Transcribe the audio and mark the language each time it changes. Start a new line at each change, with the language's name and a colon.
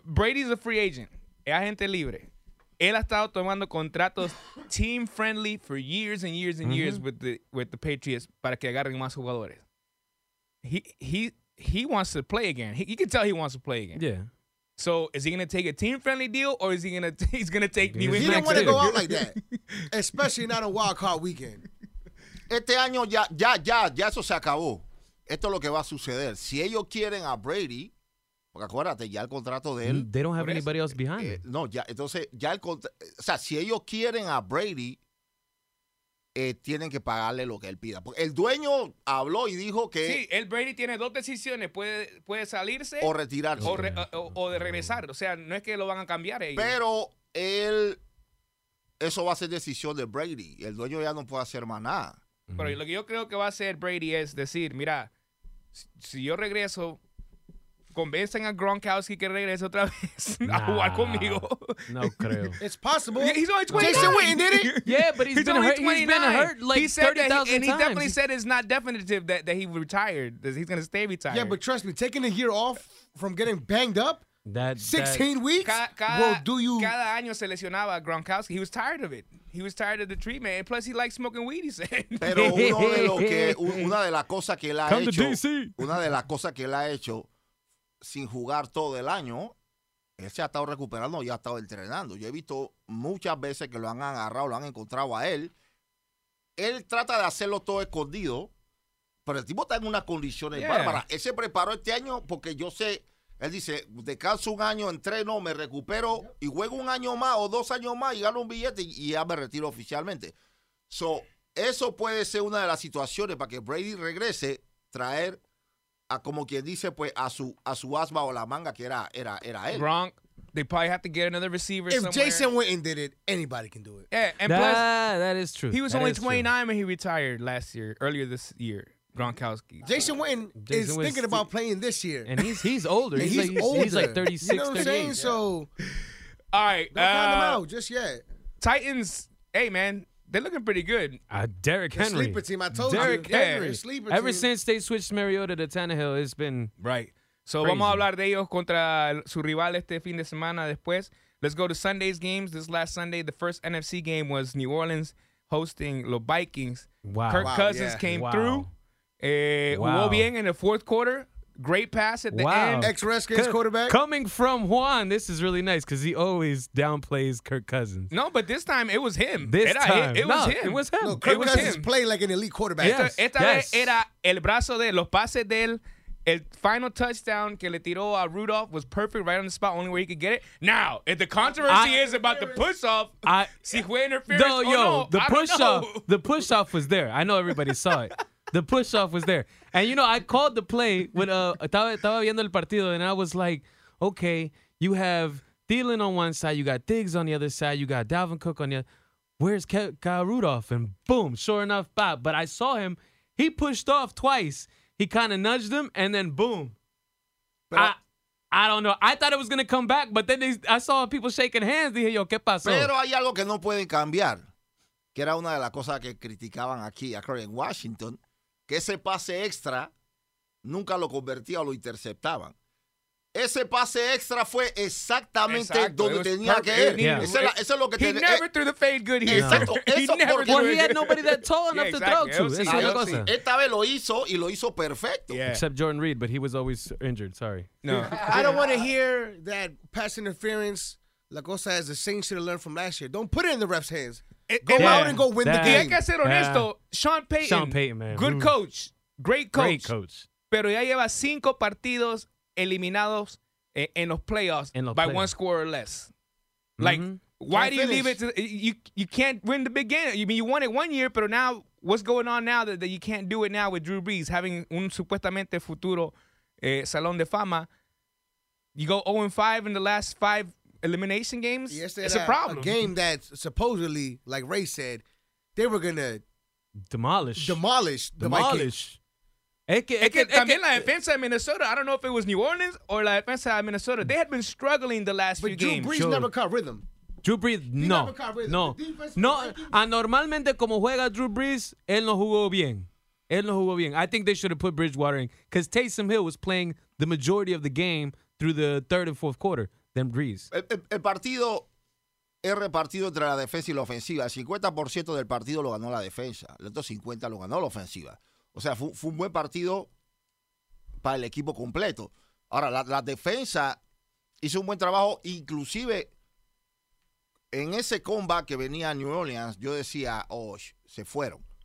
English: Brady's a free agent. Es agente libre. Él ha estado tomando contratos team-friendly for years and years and years with the Patriots para que agarren más jugadores. He wants to play again. You can tell he wants to play again. Yeah. So is he going to take a team-friendly deal or is he going to take New England? He don't want to go out like that, especially not a wild card weekend.
Spanish: Este año ya eso se acabó. Esto es lo que va a suceder. Si ellos quieren a Brady, porque acuérdate, ya el contrato de él.
English: They don't have anybody else behind it.
Spanish: No, ya, entonces, ya el contrato. O sea, si ellos quieren a Brady, tienen que pagarle lo que él pida. Porque el dueño habló y dijo que... Sí, el Brady tiene dos decisiones. Puede salirse... O retirarse. O de regresar. O sea, no es que lo van a cambiar ellos. Pero él... Eso va a ser decisión de Brady. El dueño ya no puede hacer más nada. Mm. Pero lo que yo creo que va a hacer Brady es decir, mira, si yo regreso, convencen a Gronkowski que regrese otra vez a jugar conmigo. No creo.
English: It's possible. He's only 29. Jason Witten did it. Yeah, but he's been hurt like 30,000 times. And he definitely said it's not definitive that he retired, that he's going to stay retired. Yeah, but trust me, taking a year off from getting banged up, 16 weeks? Cada año se lesionaba Gronkowski. He was tired of it. He was tired of the treatment. And plus, he likes smoking weed, he said.
Spanish: Pero una de las cosas que él ha hecho sin jugar todo el año, él se ha estado recuperando y ha estado entrenando. Yo he visto muchas veces que lo han agarrado, lo han encontrado a él. Él trata de hacerlo todo escondido, pero el tipo está en unas condiciones bárbaras. Él se preparó este año porque yo sé... Él dice, descanso un año, entreno, me recupero y juego un año más o dos años más y gano un billete y ya me retiro oficialmente. So, eso puede ser una de las situaciones para que Brady regrese, traer a, como quien dice, pues a su asma o la manga que era él.
English: Gronk, they probably have to get another receiver somewhere. If Jason Witten did it, anybody can do it. Yeah, and plus, that is true. He was that only 29 true. When he retired earlier this year. Gronkowski. Jason Witten is thinking about playing this year. And he's older. And he's like, older. He's like 36, 38. You know what I'm saying? So, all right. Don't count him out just yet. Titans, hey, man, they're looking pretty good. Derrick Henry. Sleeper team, I told you. Derrick Henry. Sleeper team. Ever since they switched Mariota to Tannehill, it's been right. So, crazy.
Spanish: Vamos a hablar de ellos contra su rival este fin de semana después.
English: Let's go to Sunday's games. This last Sunday, the first NFC game was New Orleans hosting the Vikings. Wow. Kirk Cousins came through. Jugó bien in the fourth quarter. Great pass at the end. Ex-Redskins quarterback. Coming from Juan, this is really nice because he always downplays Kirk Cousins. No, but this time it was him. It was him. No, Kirk Cousins played like an elite quarterback. Yes.
Spanish: Era el brazo de él, los pases de él.
English: El final touchdown que le tiró a Rudolph was perfect, right on the spot, only where he could get it. Now, if the controversy is about the push-off, si fue interference or yo, no, the push-off, the push-off was there. I know everybody saw it. The push-off was there. And, you know, I called the play when estaba viendo el partido, and I was like, okay, you have Thielen on one side, you got Diggs on the other side, you got Dalvin Cook on the other. Where's Kyle Rudolph? And boom, sure enough, bop. But I saw him. He pushed off twice. He kind of nudged him, and then boom. But I don't know. I thought it was going to come back, but then I saw people shaking hands.
Spanish: Dije, yo, ¿qué pasó? Pero hay algo que no pueden cambiar, que era una de las cosas que criticaban aquí en Washington. Que ese pase extra nunca lo convertía o lo interceptaban. Ese pase extra fue exactly donde tenía que ir. Eso es lo que
English: tenía. He never threw the fade good here.
Spanish: Exacto.
English: He had nobody that tall enough to throw to.
Spanish: Esa es la cosa. Esta vez lo hizo y lo hizo perfecto.
English: Yeah. Except Jordan Reed, but he was always injured. Sorry. No. I don't want to hear that pass interference. La cosa is the same shit I learned from last year. Don't put it in the ref's hands. Go out and go win the game.
Spanish: Y hay que ser honesto. Sean Payton,
English: man. Good coach. Great coach. Great coach.
Spanish: Pero ya lleva 5 partidos eliminados en los playoffs one score or less.
English: Mm-hmm. Like, why do you leave it to you can't win the big game. You mean you won it 1 year, pero now what's going on now that you can't do it now with Drew Brees having un supuestamente futuro Salón de Fama? You go 0-5 in the last 5 elimination games? It's a problem. A game that supposedly, like Ray said, they were going to demolish.
Spanish: También la defensa de Minnesota, I don't know if it was New Orleans or la defensa de Minnesota.
English: They had been struggling the last few games. But Drew Brees never caught rhythm. Drew Brees, no. He never caught rhythm. No. No.
Spanish: Anormalmente, como juega Drew Brees, él no jugó bien.
English: I think they should have put Bridgewater in because Taysom Hill was playing the majority of the game through the third and fourth quarter. Then Brees.
Spanish: El partido es repartido entre la defensa y la ofensiva. El 50% del partido lo ganó la defensa. El otro 50% lo ganó la ofensiva. O sea, fue un buen partido para el equipo completo. Ahora, la defensa hizo un buen trabajo. Inclusive, en ese comeback que venía a New Orleans, yo decía, oh, se fueron.